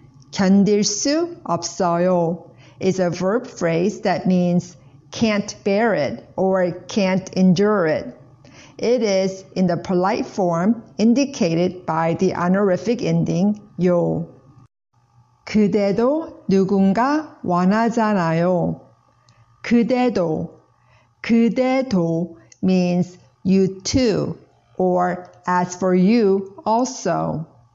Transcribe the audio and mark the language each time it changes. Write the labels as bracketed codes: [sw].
[ko] 견딜 수 없어요 [en] is a verb phrase that means can't bear it or can't endure it. It is in the polite form indicated by the honorific ending 요. [ko] 그대도 누군가 원하잖아요. 그대도 [en] means you too or as for you also.